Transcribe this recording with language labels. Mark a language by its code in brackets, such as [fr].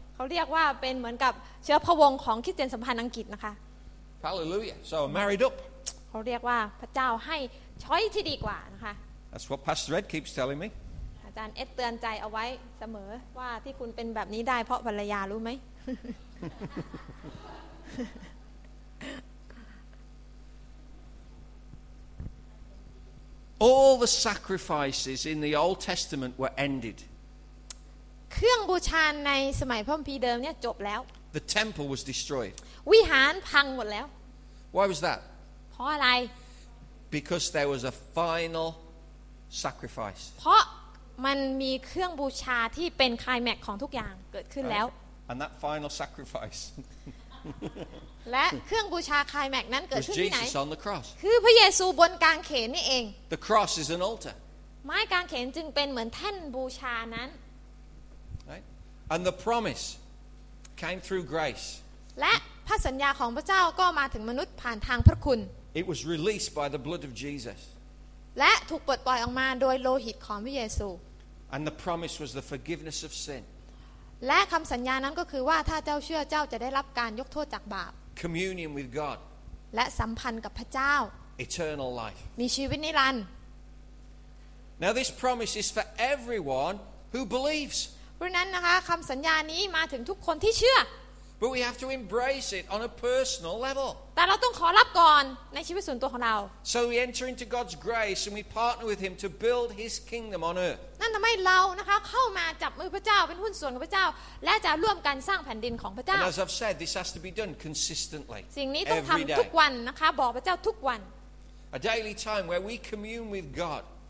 [th] เขาเรียกว่าเป็นเหมือนกับเชื้อพระวงศ์ของคริสเตียนสัมพันธ์อังกฤษนะคะ [en] Hallelujah. So I married up. [th] เขาเรียกว่าพระเจ้าให้ช้อยที่ดีกว่านะคะ [en] That's what Pastor Ed keeps telling me. [th] อาจารย์เอ็ดเตือนใจเอาไว้เสมอว่าที่คุณเป็นแบบนี้ได้เพราะภรรยารู้ไหม [en] All the sacrifices in the Old Testament were ended. [th] เครื่องบูชาในสมัยพระคัมภีร์เดิมเนี่ยจบแล้ว [en] The temple was destroyed. [th] วิหารพังหมดแล้ว [en] Why was that? [th] เพราะอะไร [en] Because there was a finalsacrifice [th] เพราะมันมีเครื่องบูชาที่เป็นไคลแม็กของทุกอย่างเกิดขึ้นแล้ว [en] and that final sacrifice [th] และเครื่องบูชาไคลแม็กนั้นเกิดขึ้ นที่ ไหน [en] on the cross [th] คือพระเยซูบนกางเขนนี่เอง [en] the cross is an altar [th] ไม้กางเขนจึงเป็นเหมือนแท่นบูชานั้น [en] and the promise came through grace [th] และพระสัญญาของพระเจ้าก็มาถึงมนุษย์ผ่านทางพระคุณ [en] it was released by the blood of jesus [th] และถูกปลดปล่อยออกมาโดยโลหิตของพระเยซู [en] And the promise was the forgiveness of sin [th] และคำสัญญานั้นก็คือว่าถ้าเจ้าเชื่อเจ้าจะได้รับการยกโทษจากบาป [en] Communion with God [th] และสัมพันธ์กับพระเจ้า [en] Eternal life [th] มีชีวิตนิรันดร์ [en] Now this promise is for everyone who believes [th] เพราะนั้นนะคะคำสัญญานี้มาถึงทุกคนที่เชื่อ [en] But we have to embrace it on a personal level. [th] แต่เราต้องขอรับก่อนในชีวิตส่วนตัวของเรา [en] So we enter into God's grace and we partner with Him to build His kingdom on earth. [th] นั่นทำให้เรานะคะเข้ามาจับมือพระเจ้าเป็นหุ้นส่วนกับพระเจ้าและจะร่วมกันสร้างแผ่นดินของพระเจ้า [en] And as I've said, this has to be done consistently. [th] สิ่งนี้ต้องทำทุกวันนะคะบอกพระเจ้าทุกวัน [en] A daily time where we commune with God.